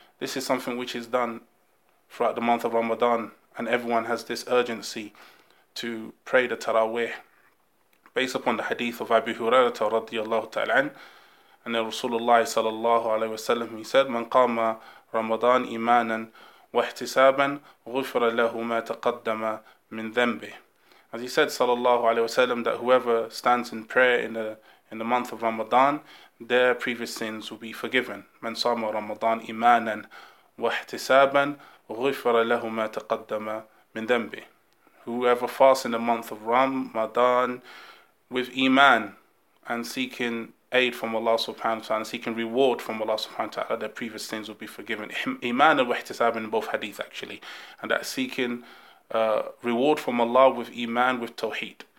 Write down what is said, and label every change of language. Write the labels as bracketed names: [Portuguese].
[English] This is something which is done throughout the month of Ramadan, and everyone has this urgency to pray the tarawih, based upon the hadith of Abu Hurairah radiyallahu ta'ala an, and the Rasulullah sallallahu alayhi wa sallam, he said, [Arabic] من قام رمضان إيمانا واحتسابا غفر له ما تقدم من ذنبه. [English] As he said sallallahu alayhi wa sallam, that whoever stands in prayer in the month of Ramadan, their previous sins will be forgiven. [Arabic] من صام رمضان إيمانا واحتسابا غفر له ما تقدم من ذنبه. [English] Whoever fasts in the month of Ramadan with iman and seeking aid from Allah subhanahu wa ta'ala, seeking reward from Allah subhanahu wa ta'ala, their previous sins will be forgiven. Iman and wahtisab in both hadith actually. And that seeking reward from Allah with iman, with tawheed.